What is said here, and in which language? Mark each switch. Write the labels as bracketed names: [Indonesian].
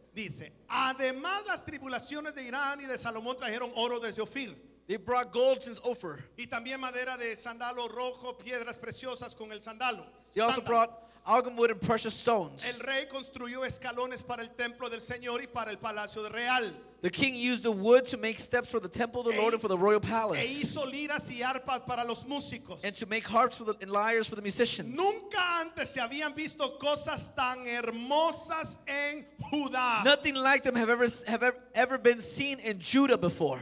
[Spanish] Dice, además las tribulaciones de Irán y de Salomón trajeron oro desde Ofir. [English] They brought gold since Ophir. [Spanish] Y también madera de sandalo rojo, piedras preciosas con el sandalo. [English] They also brought algum wood and precious stones. [Spanish] El rey construyó escalones para el templo del Señor y para el palacio real. [English] The king used the wood to make steps for the temple of the Lord and for the royal palace. [Spanish] E hizo liras y arpas para los músicos. [English] And to make harps for the, and lyres for the musicians. [Spanish] Nunca antes se habían visto cosas tan hermosas en Judá. [English] Nothing like them have ever been seen in Judah before.